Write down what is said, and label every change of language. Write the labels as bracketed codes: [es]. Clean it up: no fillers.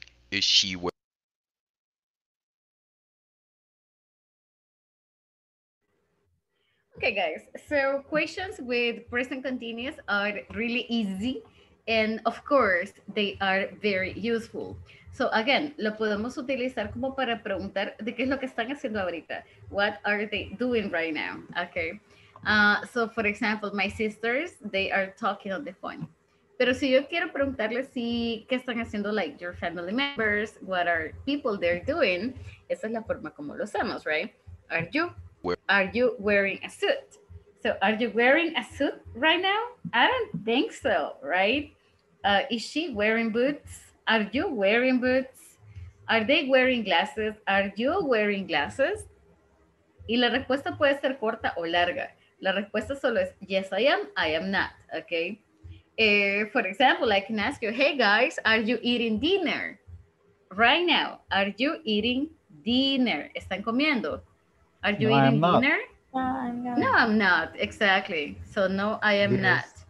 [en] Is she wearing? Okay, guys, so questions with present continuous are really easy, and of course, they are very useful. So again, [es] lo podemos utilizar como para preguntar de qué es lo que están haciendo ahorita. [en] What are they doing right now? Okay, so for example, my sisters, they are talking on the phone. [es] Pero si yo quiero preguntarles si qué están haciendo, [en] like your family members, what are people they're doing, [es] esa es la forma como lo hacemos, right? [en] Are you wearing a suit? So are you wearing a suit right now? I don't think so, right? Is she wearing boots? Are you wearing boots? Are they wearing glasses? Are you wearing glasses? [es] Y la respuesta puede ser corta o larga. La respuesta solo es, [en] yes, I am not, okay? For example, I can ask you, hey guys, are you eating dinner? Right now, are you eating dinner? [es] ¿Están comiendo? [en] Are you eating dinner? No, I'm not. Exactly. So, no, I am not.